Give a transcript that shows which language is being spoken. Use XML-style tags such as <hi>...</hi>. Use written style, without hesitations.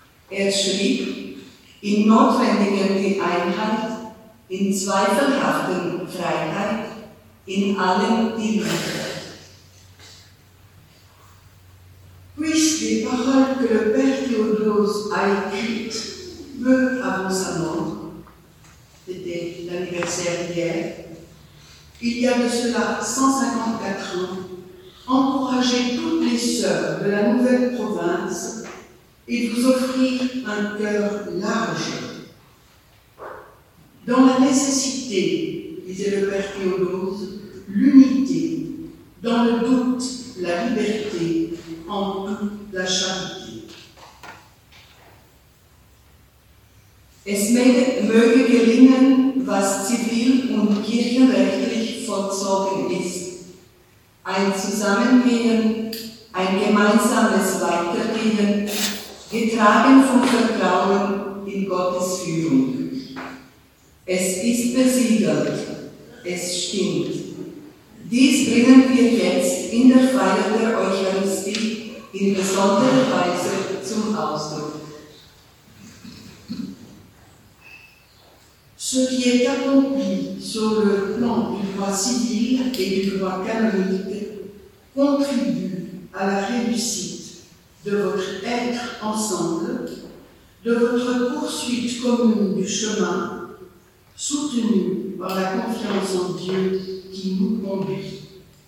<de>Er schrieb, in Notwendigen die Einheit, in Zweifelhaften Freiheit, in allem die Liebe.</de> <fr>Puisque les paroles que le Père Théodose a écrites peu avant sa mort, c'était l'anniversaire d'hier, il y a de cela 154 ans, encourager toutes les sœurs de la nouvelle province et vous offrir un cœur large. Dans la nécessité, disait le Père Théodose, l'unité, dans le doute, la liberté, en tout la charité.</fr> <de>Es möge gelingen, was zivil und kirchenrechtlich vollzogen ist. Ein Zusammengehen, ein gemeinsames Weitergehen, getragen vom Vertrauen in Gottes Führung. Es ist besiegelt, es stimmt. Dies bringen wir jetzt in der Feier der Eucharistie in besonderer Weise zum Ausdruck.</de> <fr>Ce qui est accompli sur le plan du droit civil et du droit canonique contribue à la réussite de votre être ensemble, de votre poursuite commune du chemin, soutenu par la confiance en Dieu qui nous conduit.</fr>